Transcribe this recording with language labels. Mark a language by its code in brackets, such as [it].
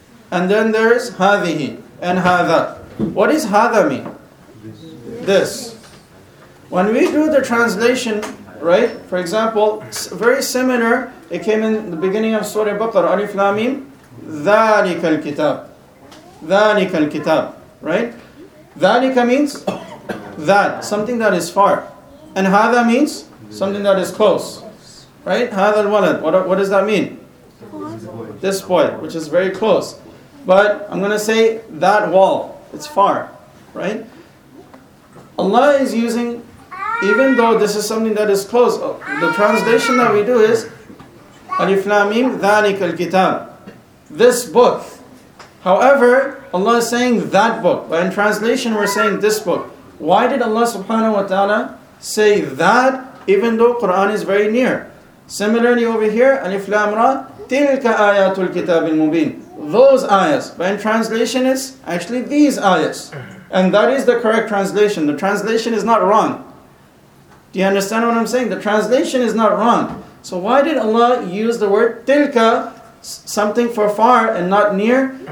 [en] And then there is هَذِهِ and هَذَا. What does هَذَا mean? This. When we do the translation, right? For example, very similar, it came in the beginning of Surah Baqarah, Alif Lam Mim, [ar] ذَلِكَ الْكِتَابِ. ذَلِكَ الْكِتَابِ, right? [en] ذَلِكَ means that, something that is far. And هَذَا means something that is close. Right? [ar] هَذَا الْوَلَدْ. [en] What does that mean? This boy, which is very close. But I'm going to say that wall, it's far. Right? Allah is using, even though this is something that is close, the translation that we do is [ar] أَلِفْ لَا مِيمْ ذَلِكَ الْكِتَابِ. [en] This book. However, Allah is saying that book. But in translation, we're saying this book. Why did Allah subhanahu wa ta'ala say that, even though Quran is very near? [ar] Similarly over here, أَلِفْ لَا مْرَى تِلْكَ آيَاتُ الْكِتَابِ الْمُبِينِ. [en] Those ayahs. But in translation, it's actually these ayahs. And that is the correct translation. The translation is not wrong. Do you understand what I'm saying? The translation is not wrong. So why did Allah use the word tilka, something for far and not near?